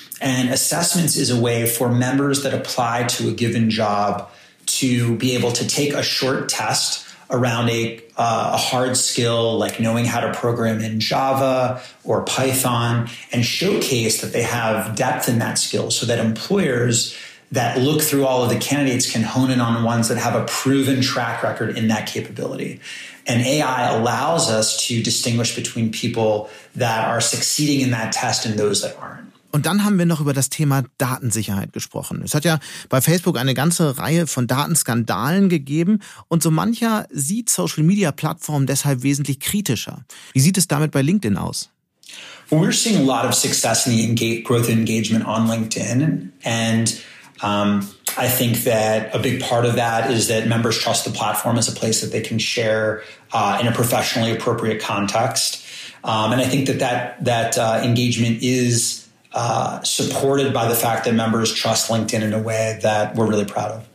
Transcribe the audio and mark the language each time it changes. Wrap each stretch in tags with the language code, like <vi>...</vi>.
<en>And assessments is a way for members that apply to a given job to be able to take a short test around a hard skill, like knowing how to program in Java or Python, and showcase that they have depth in that skill so that employers that look through all of the candidates can hone in on ones that have a proven track record in that capability. And AI allows us to distinguish between people that are succeeding in that test and those that aren't.</en> <de>Und dann haben wir noch über das Thema Datensicherheit gesprochen. Es hat ja bei Facebook eine ganze Reihe von Datenskandalen gegeben und so mancher sieht Social-Media-Plattformen deshalb wesentlich kritischer. Wie sieht es damit bei LinkedIn aus?</de> <en>Well, we're seeing a lot of success in the growth and engagement on LinkedIn. And I think that a big part of that is that members trust the platform as a place that they can share in a professionally appropriate context. And I think that engagement is supported by the fact that members trust LinkedIn in a way that we're really proud of.</en>